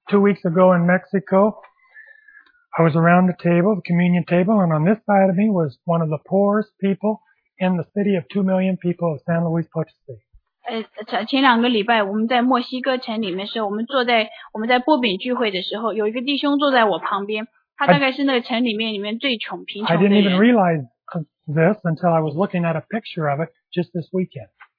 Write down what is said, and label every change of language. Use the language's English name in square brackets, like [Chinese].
[English] 2 weeks ago in Mexico, I was around the table, the communion table, and on this side of me was one of the poorest people in the city of 2 million people of San Luis Potosí. [Chinese] 前两个礼拜我们在墨西哥城里面的时候，我们在波饼聚会的时候，有一个弟兄坐在我旁边，他大概是那个城里面最穷贫穷的人。 [English] I didn't even realize this until I was looking at a picture of it just this weekend.